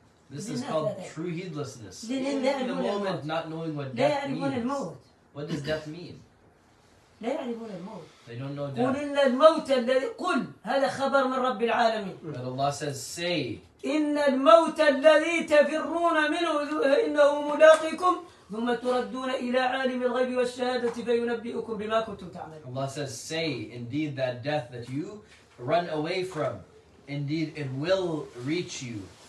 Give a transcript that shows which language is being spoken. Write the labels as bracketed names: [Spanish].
[English] This is called true heedlessness. In the moment, not knowing what death means. What does death mean? [Arabic] لا يعرفون الموت. [English] They don't know death. [Arabic] قل إن الموت الذي قل هذا خبر من رب العالمين. [English] But Allah says say. [Arabic] إن الموت الذي تفرون منه إنه ملاقيكم ثم تردون إلى عالم الغيب والشهادة فينبئكم بما كنتم تعملون. [English] Allah says say indeed that death that you run away from indeed it will reach you.